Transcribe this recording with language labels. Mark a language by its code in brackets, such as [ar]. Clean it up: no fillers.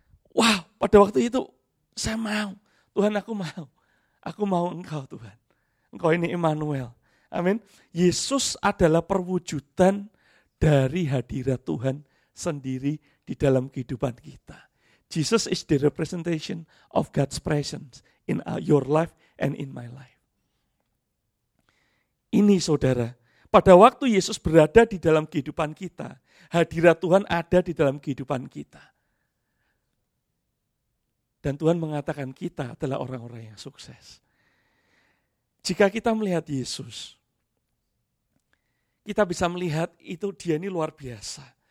[id] Wow, pada waktu itu saya mau. Tuhan, aku mau. Aku mau engkau Tuhan. Engkau ini Immanuel. Amin. Yesus adalah perwujudan dari hadirat Tuhan sendiri di dalam kehidupan kita. [en] Jesus is the representation of God's presence in your life and in my life. [id] Ini saudara, pada waktu Yesus berada di dalam kehidupan kita, hadirat Tuhan ada di dalam kehidupan kita. Dan Tuhan mengatakan kita adalah orang-orang yang sukses. Jika kita melihat Yesus, kita bisa melihat itu dia ini luar biasa.